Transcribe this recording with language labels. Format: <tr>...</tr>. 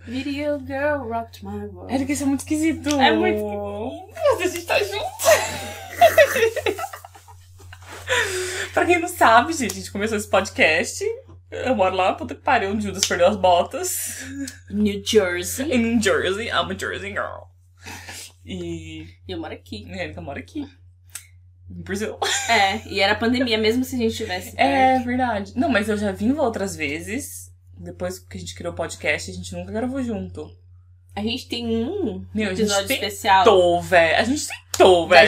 <en>Video girl rocked my world.</en> <pt>Erika, isso é muito esquisito. É muito. Mas a gente tá junto. Pra quem não sabe, gente, a gente começou esse podcast. Eu moro lá na puta que pariu, onde Judas perdeu as botas. New Jersey. Em</pt> <en>New Jersey, I'm a Jersey girl.</en> <pt>E eu moro aqui. É, eu moro aqui. No Brasil. É, e era pandemia mesmo se a gente tivesse. É, verdade. Não, mas eu já vim outras vezes. Depois que a gente criou o podcast, a gente nunca gravou junto. A gente tem um Meu, episódio a gente especial. A gente tentou, velho.</pt>